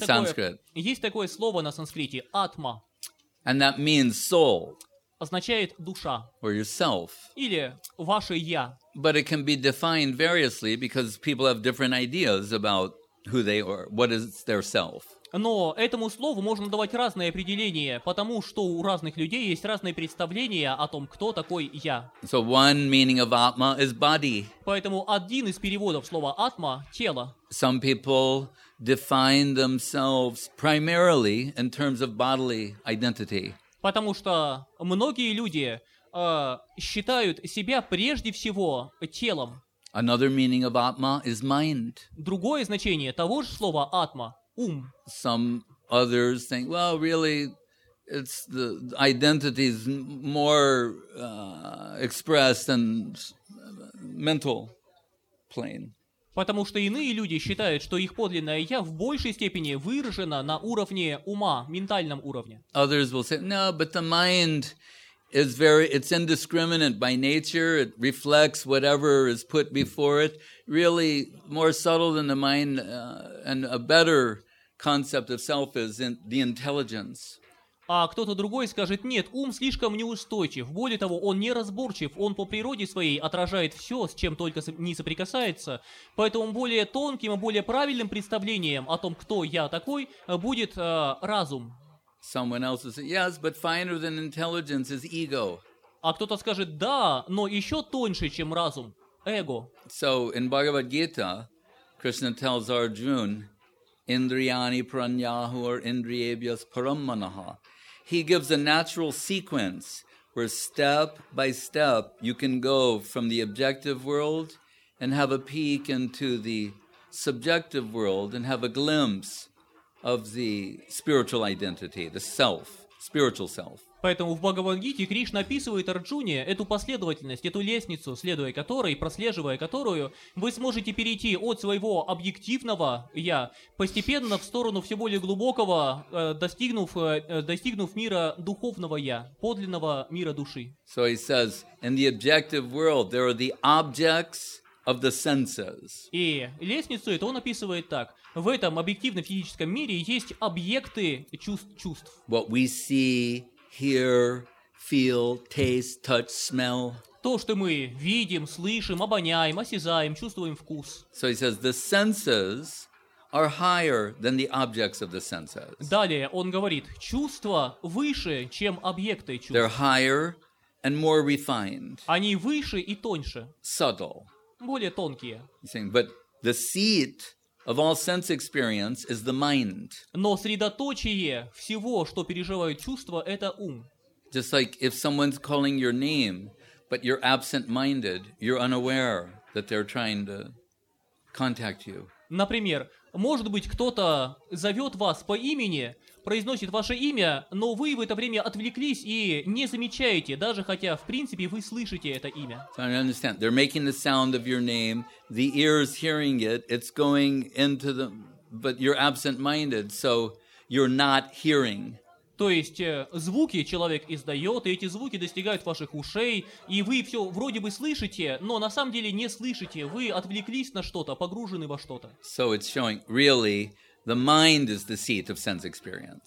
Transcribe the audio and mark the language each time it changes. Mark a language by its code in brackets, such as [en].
[ru] такое, [en] Sanskrit. [ru] Есть такое слово на санскрите атма. [en] And that means soul. [ru] Означает душа. [en] Or yourself. [ru] Или ваше я. [en] But it can be defined variously because people have different ideas about who they are, what is their self. [ru] Но этому слову можно давать разные определения, потому что у разных людей есть разные представления о том, кто такой я. [en] So one meaning of atma is body. [ru] Поэтому один из переводов слова атма – тело. [en] Some people define themselves primarily in terms of bodily identity. [ru] Потому что многие люди считают себя прежде всего телом. [en] Another meaning of atma is mind. [ru] Другое значение того же слова атма – ум. [en] Some others think, well, really, it's the identity is more expressed in mental plane. [ru] Потому что иные люди считают, что их подлинное я в большей степени выражено на уровне ума, ментальном уровне. [en] Others will say, no, but the mind is very, it's indiscriminate by nature. It reflects whatever is put before it. Really, more subtle than the mind and a better concept of self is in the intelligence. [ru] А кто-то другой скажет: нет, ум слишком неустойчив. Более того, он неразборчив, он по природе своей отражает все, с чем только не соприкасается. Поэтому более тонким и более правильным представлением о том, кто я такой, будет разум. [en] Someone else will say, yes, but finer than intelligence is ego. [ru] А кто-то скажет: да, но еще тоньше, чем разум, эго. [en] So in Bhagavad Gita, Krishna tells Arjuna, [sa] Indriyani pranyahu [en] or [sa] indriyebhyas parammanaha. [en] He gives a natural sequence where step by step you can go from the objective world and have a peek into the subjective world and have a glimpse of the spiritual identity, the self, spiritual self. [ru] Поэтому в Бхагавад-гите Кришна описывает Арджуне эту последовательность, эту лестницу, следуя которой, прослеживая которую, вы сможете перейти от своего объективного «я» постепенно в сторону все более глубокого, достигнув мира духовного «я», подлинного мира души. [en] So he says, in the objective world, there are the objects of the senses. [ru] И лестницу это он описывает так. В этом объективном физическом мире есть объекты чувств. [en] What we see... Hear, feel, taste, touch, smell. [ru] То, что мы видим, слышим, обоняем, осязаем, чувствуем вкус. [en] So he says the senses are higher than the objects of the senses. [ru] Далее он говорит, чувства выше, чем объекты чувств. [en] They're higher and more refined. [ru] Они выше и тоньше. [en] Subtle. [ru] Более тонкие. [en] He's saying, but the seat. Of all sense experience is the mind. [ru] Но средоточие всего, что переживают чувства, это ум. [en] Just like if someone's calling your name, but you're absent-minded, you're unaware that they're trying to contact you. [ru] Например, может быть, кто-то зовет вас по имени, произносит ваше имя, но вы в это время отвлеклись и не замечаете, даже хотя, в принципе, вы слышите это имя. [en] So I understand. They're making the sound of your name. The ear's hearing it. It's going into the... But you're absent-minded, so you're not hearing. [ru] То есть звуки человек издает, и эти звуки достигают ваших ушей, и вы все вроде бы слышите, но на самом деле не слышите. Вы отвлеклись на что-то, погружены во что-то. [en] So it's showing, really... The mind is the seat of sense experience.